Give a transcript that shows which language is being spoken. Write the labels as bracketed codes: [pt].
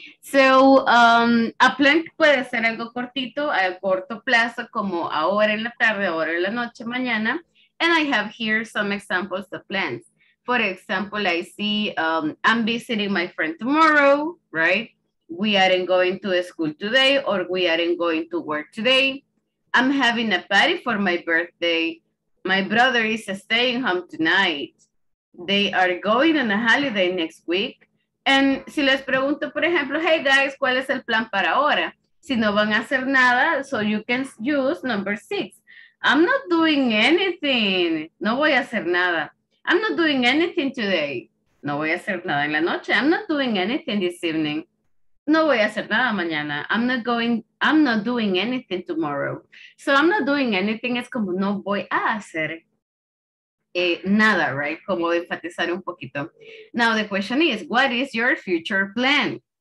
[es] So, a plan puede ser algo cortito, a corto plazo, como ahora en la tarde, ahora en la noche, mañana. [en] And I have here some examples of plans. For example, I see I'm visiting my friend tomorrow, right? We aren't going to school today, or we aren't going to work today. I'm having a party for my birthday. My brother is staying home tonight. They are going on a holiday next week. [es] And si les pregunto, por ejemplo, [en] hey guys, [es] ¿cuál es el plan para ahora? Si no van a hacer nada, [en] so you can use number 6. I'm not doing anything. [es] No voy a hacer nada. [en] I'm not doing anything today. [es] No voy a hacer nada en la noche. [en] I'm not doing anything this evening. [es] No voy a hacer nada mañana. [en] I'm not doing anything tomorrow. So I'm not doing anything. [es] Es como no voy a hacer nada, right? Como enfatizar un poquito. [en] Now the question is, what is your future plan?